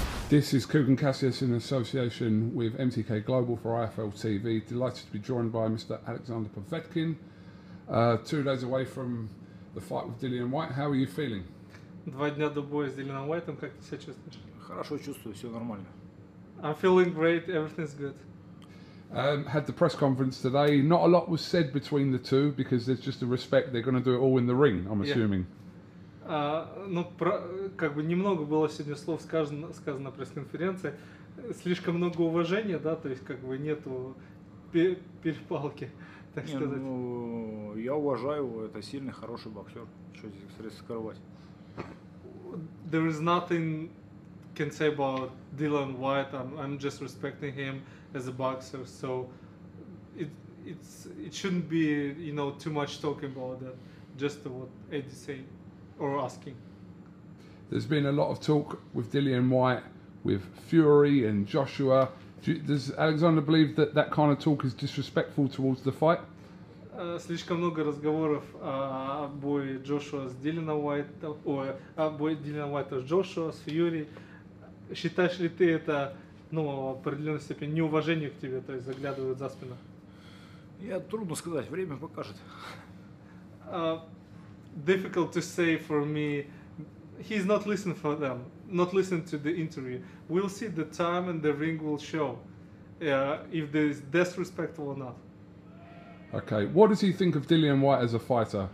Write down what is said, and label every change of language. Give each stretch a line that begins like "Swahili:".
English: This is Coogan Cassius in association with MTK Global for IFL TV. Delighted to be joined by Mr. Alexander Povetkin. 2 days away from the fight with Dillian Whyte. How are you feeling?
Russian: Два дня до боя с Диллианом Уайтом. Как ты себя чувствуешь? Хорошо чувствую, все нормально.
English: I'm feeling great, everything's good. Had the press conference today. Not a lot was said between the two because there's just a respect. They're going to do it all in the ring, I'm assuming. Yeah.
Russian: Как бы немного было сегодня слов сказано на пресс-конференции. Слишком много уважения, да, то есть как бы нету перепалки, так не, сказать. Ну, я уважаю его, это сильный, хороший боксер. Что здесь скрывать?
English: There is nothing can say about Dillian Whyte. I'm just respecting him as a boxer, so it shouldn't be, you know, too much talking about that. Just what Eddie said. Or asking. There's been a lot of talk with Dillian Whyte, with Fury and Joshua. Does Alexander believe that that kind of talk is disrespectful towards the fight?
Russian: Слишком много разговоров о бое Джошуа с Диллианом Уайтом, ой, о бое Диллиана Уайта с Джошуа, с Фьюри. Считаешь ли ты это, ну, в определенной степени неуважение к тебе, то есть заглядывают за спину? Я трудно сказать, время покажет.
English: Difficult to say for me. He's not listening for them, not listening to the interview. We'll see the time and the ring will show if there's disrespectful or not. Okay, what does he think of Dillian Whyte as a fighter?